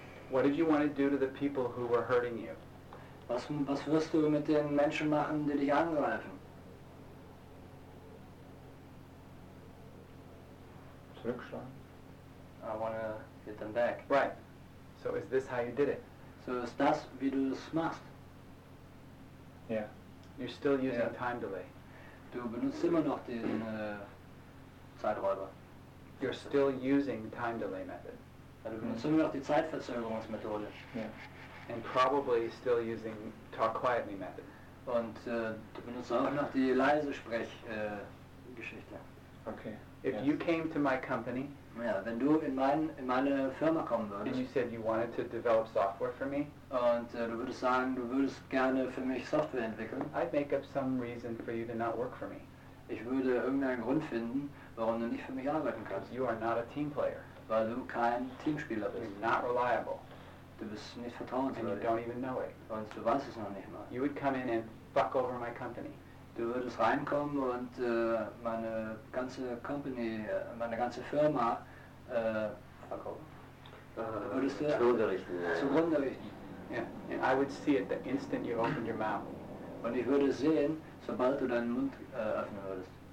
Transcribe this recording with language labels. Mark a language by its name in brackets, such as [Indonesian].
[English] What did you want to do to the people who were hurting you? [German] Was wirst du mit den Menschen machen, die dich angreifen? Zurückschlagen. [English] I want to hit them back. Right. So is this how you did it? [German] So ist das, wie du es machst? [English] Yeah. You're still using time delay. [German] Du benutzt immer noch den Zeiträuber. [English] You're still using time delay method. [German] Du benutzt immer noch die Zeitverzögerungsmethode. [English] Yeah. And probably still using talk quietly method. [German] Und du benutzt auch noch die leise Sprechgeschichte. [English] Okay. If you came to my company, [German] ja, wenn du in meine Firma kommen würdest, [English] and you said you wanted to develop software for me, [German] und du würdest sagen, du würdest gerne für mich Software entwickeln, [English] I'd make up some reason for you to not work for me. [German] Ich würde irgendeinen Grund finden, warum du nicht für mich arbeiten kannst. [English] You are not a team player. [German] Weil du kein Teamspieler bist. [English] You're not reliable. [German] Du bist nicht vertrauenswürdig. [English] And you don't even know it. [German] Und du weißt es noch nicht mal. [English] You would come in and fuck over my company. [German] Du würdest reinkommen und meine ganze Company, meine ganze Firma, [English] fuck over. [German] Würdest du zugrunde richten. [English] Yeah. I would see it the instant you opened your mouth. [German] Und ich würde sehen, sobald du deinen Mund öffnen würdest.